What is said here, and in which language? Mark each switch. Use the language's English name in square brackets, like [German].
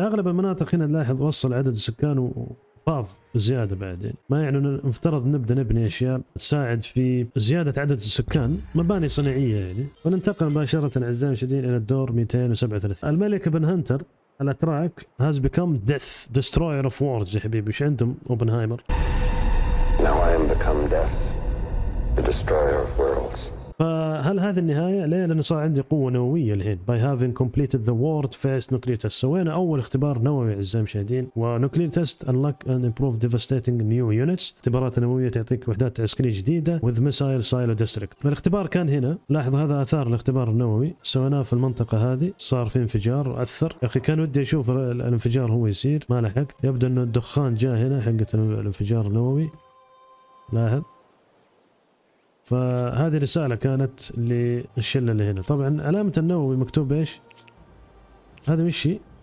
[Arabic] أغلب المناطق هنا نلاحظ وصل عدد السكان فاض زيادة بعدين، ما يعني نفترض نبدأ نبني أشياء تساعد في زيادة عدد السكان، مباني صناعية يعني. وننتقل مباشرة أعزائي المشاهدين إلى الدور 237. الملك بن هنتر الأتراك [English] has become death destroyer of wars [Arabic] يا حبيبي، وش عندهم أوبنهايمر؟ [English] Now I am become death the destroyer of worlds. [Arabic] فهل هذه النهاية؟ ليه؟ لأن صار عندي قوة نووية الحين. [English] By having completed the world first nuclear test، [Arabic] سوينا أول اختبار نووي أعزائي المشاهدين، [English] ونوكلير test unlock and improve devastating new units، [Arabic] اختبارات نووية تعطيك وحدات عسكرية جديدة [English] with missile silo district. [Arabic] فالاختبار كان هنا، لاحظ هذا أثار الاختبار النووي، سويناه في المنطقة هذه، صار في انفجار وأثر، أخي كان ودي أشوف الانفجار هو يصير، ما لحقت، يبدو أنه الدخان جاء هنا حقة الانفجار النووي. لاحظ. فهذه رسالة كانت للشلة اللي هنا. طبعا علامة النووي مكتوب ايش؟ هذا مش شيء.